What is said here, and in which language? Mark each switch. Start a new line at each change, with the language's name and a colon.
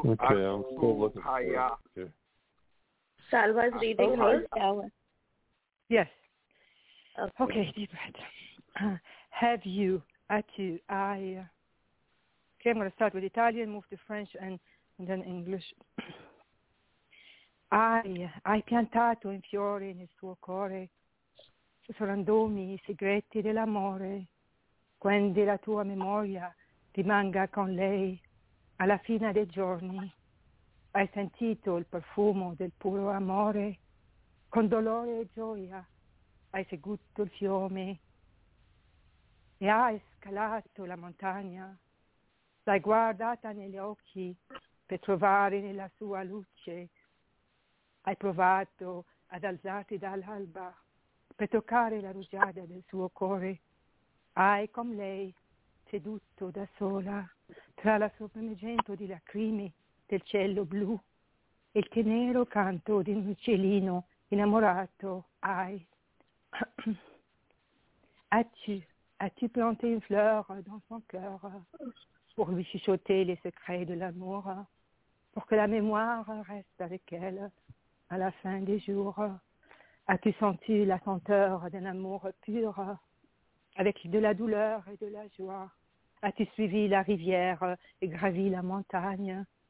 English: Okay, I'm still looking for it. Okay. Salva is reading her. Yes. Okay, deep breath. Have you, atu, I? Okay, I'm going to start with Italian, move to French, and then English.
Italian: I piantato in fiore nel suo cuore, sorrandomi I segreti dell'amore. Quando la tua memoria rimanga con lei alla fine dei giorni, hai sentito il profumo del puro amore, con dolore e gioia hai seguito il fiume e hai scalato la montagna, l'hai guardata negli occhi per trovare nella sua luce, hai provato ad alzarti dall'alba per toccare la rugiada del suo cuore. Hai con lei seduto da sola tra la sopramigento di lacrime del cielo blu e il tenero canto di un uccellino innamorato. Hai.
French: As-tu planté une fleur dans son cœur pour lui chuchoter les secrets de l'amour, pour que la mémoire reste avec elle à la fin des jours. As-tu senti la senteur d'un amour pur? Avec de la douleur et de la joie, as-tu suivi la rivière et gravi la montagne?